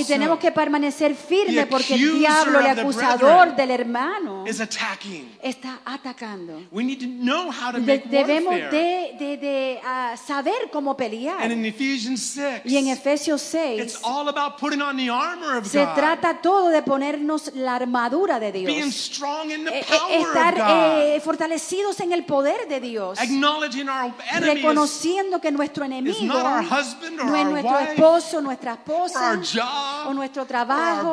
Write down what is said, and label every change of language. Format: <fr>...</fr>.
<es>y tenemos que permanecer firme porque el diablo, el acusador del hermano</es> <en>is attacking.</en> <es>Está atacando.</es> <en>We need to know how to make warfare.</en> <es>Debemos saber cómo pelear.</es> <en>And in Ephesians 6,</en> <es>y en Efesios 6,</es> <en>it's all about putting on the armor of God.</en> <es>Se trata todo de ponernos la armadura de Dios.</es> <en>Being strong in the power of God.</en> <es>Estar fortalecidos en el poder de Dios.</es> <en>Acknowledging our enemy.</en> <es>Reconociendo que nuestro enemigo</es> <en>is not our husband or</en> <es>no es nuestro</es> <en>our</en> <es>esposo,</es> <en>wife,</en> <es>nuestra esposa,</es> <en>or our job,</en> <es>o nuestro trabajo,</es>